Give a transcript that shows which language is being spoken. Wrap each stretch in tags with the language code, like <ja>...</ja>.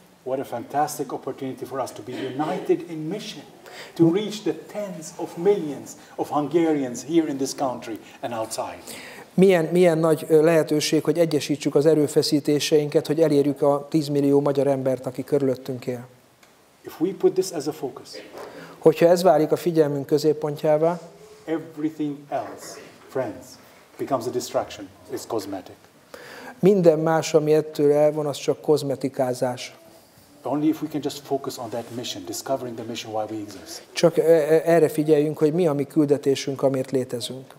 <en>What a fantastic opportunity for us to be united in mission. To reach the tens of millions of Hungarians here in this country and outside.</en> <hu>Milyen nagy lehetőség, hogy egyesítsük az erőfeszítéseinket, hogy elérjük a 10 millió magyar embert, aki körülöttünk él.</hu> <en>If we put this as a focus.</en> <hu>Hogyha ez válik a figyelmünk középpontjává,</hu> <en>everything else, friends, becomes a distraction. It's cosmetic.</en> <hu>Minden más, ami ettől elvon, az csak kozmetikázás.</hu> <en>Only if we can just focus on that mission, discovering the mission why we exist.</en> <hu>Csak erre figyeljünk, hogy mi a mi küldetésünk, amiért létezünk.</hu>